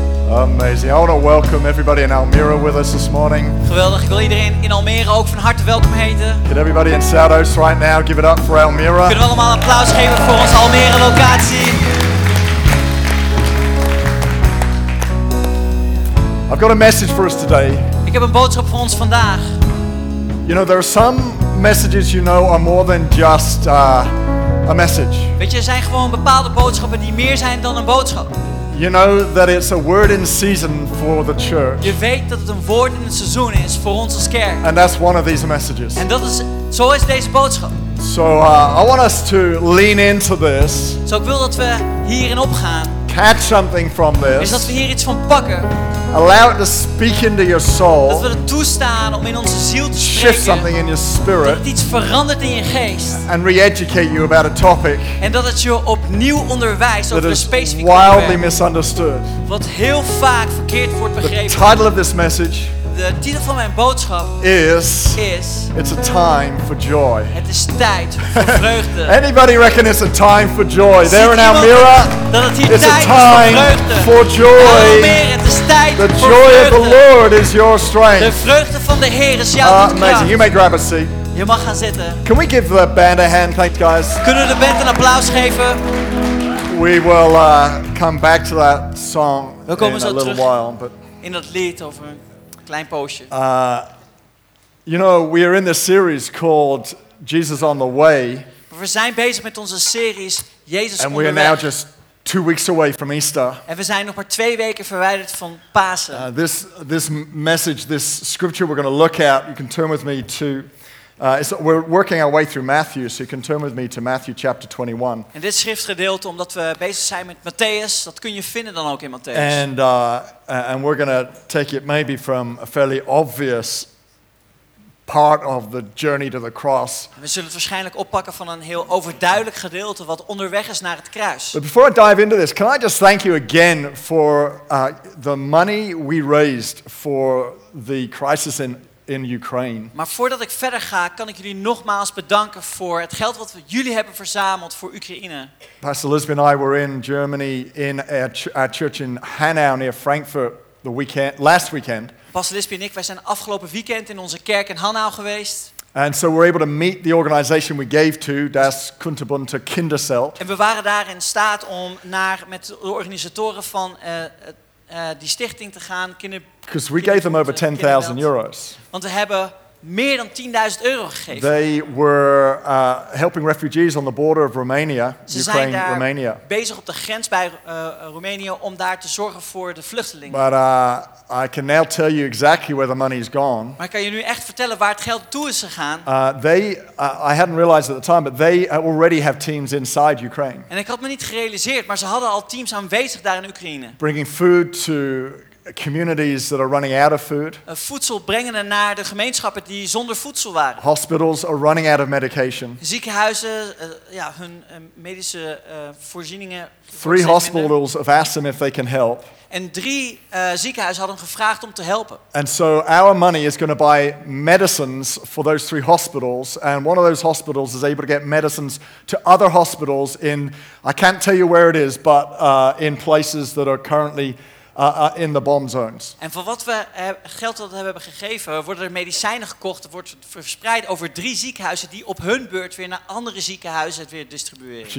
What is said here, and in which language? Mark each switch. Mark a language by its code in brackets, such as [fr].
[en] amazing. I want to welcome everybody in Almere with us this morning. [nl] Geweldig. Ik wil iedereen in Almere ook van harte welkom heten. [en] Can everybody in Zuidoost right now give it up for Almere? [nl] Kunnen we allemaal een applaus geven voor onze Almere locatie? [en] I've got a message for us today. [nl] Ik heb een boodschap voor ons vandaag. [en] You know, there are some messages you know are more than just a message. [nl] Weet je, er zijn gewoon bepaalde boodschappen die meer zijn dan een boodschap. [en] You know that it's a word in season for the church. [nl] Je weet dat het een woord in het seizoen is voor onze kerk. [en] And that's one of these messages. [nl] En dat is zo is deze boodschap. [en] So I want us to lean into this. [nl] Zo ik wil dat we hierin opgaan. [en] Catch something from this. [nl] Is dat we hier iets van pakken. [en] Allow it to speak into your soul. [nl] Dat we het toestaan om in onze ziel te spreken. [en] Shift something in your spirit. [nl] Dat het iets verandert in je geest. [en] And re-educate you about a topic. [nl] En dat het je opnieuw onderwijst over een specifiek onderwerp. [en] Wildly misunderstood. [nl] Wat heel vaak verkeerd wordt begrepen. [en] The title of this message. [nl] De titel van mijn boodschap [en] is. It's a time for joy. [nl] Het is tijd voor vreugde. [en] Anybody reckon it's a time for joy? There in Almere. [nl] Dat het hier [en] it's [nl] tijd [en] a time for joy. The joy of the Lord is your strength. [nl] De vreugde van de Heer is jouw kracht. [en] Amazing. You may grab a seat. [nl] Je mag gaan zitten. [en] Can we give the band a hand? Thanks, guys. [nl] Kunnen we de band een applaus geven? [en] We will come back to that song [nl] we komen [en] in [nl] zo [en] a little [nl] terug [en] while. But [nl] in dat lied over een klein poosje. You know, we are in this series called Jesus on the Way. We zijn bezig met onze series Jezus onderweg. [en] And we are now just 2 weeks away from Easter. [nl] En we zijn nog maar 2 weken verwijderd van Pasen. [en] This message, this scripture we're going to look at, you can turn with me to. We're working our way through Matthew, so you can turn with me to Matthew chapter 21. [nl] En dit schriftgedeelte, omdat we bezig zijn met Matthäus, dat kun je vinden dan ook in Matthäus. [en] And we're going to take it maybe from a fairly obvious part of the journey to the cross. [nl] We zullen het waarschijnlijk oppakken van een heel overduidelijk gedeelte wat onderweg is naar het kruis. [en] But before I dive into this, can I just thank you again for the money we raised for the crisis in Ukraine. [nl] Maar voordat ik verder ga, kan ik jullie nogmaals bedanken voor het geld wat we jullie hebben verzameld voor Oekraïne. [en] Pastor Lisbeth and I were in Germany in our church in Hanau near Frankfurt the weekend last weekend. [nl] Pastor Lisby en ik, wij zijn afgelopen weekend in onze kerk in Hanau geweest. [en] And so we're able to meet the organization we gave to, Das Kunterbunte Kinderzelt. [nl] En we waren daar in staat om naar met de organisatoren van die stichting te gaan. [en] Because we gave them over 10,000 euros. [nl] Want we hebben meer dan 10.000 euro gegeven. [en] They were helping refugees on the border of Romania, [nl] ze [en] Ukraine, Romania. [nl] Ze zijn daar [en] Romania. [nl] Bezig op de grens bij Roemenië om daar te zorgen voor de vluchtelingen. [en] But I can now tell you exactly where the money is gone. [nl] Maar ik kan je nu echt vertellen waar het geld toe is gegaan? [en] I hadn't realized at the time, but they already have teams inside Ukraine. [nl] En ik had me niet gerealiseerd, maar ze hadden al teams aanwezig daar in Oekraïne. [en] Bringing food to communities that are running out of food. [nl] Voedsel brengen naar de gemeenschappen die zonder voedsel waren. [en] Hospitals are running out of medication. [nl] Ziekenhuizen, ja, hun medische voorzieningen. [en] Three hospitals have asked them if they can help. [nl] En drie ziekenhuizen hadden gevraagd om te helpen. [en] And so our money is going to buy medicines for those three hospitals, and one of those hospitals is able to get medicines to other hospitals in, I can't tell you where it is, but in places that are currently in the bomb zones. [nl] En van wat we geld dat we hebben gegeven, worden er medicijnen gekocht, wordt verspreid over drie ziekenhuizen die op hun beurt weer naar andere ziekenhuizen het weer distribueren.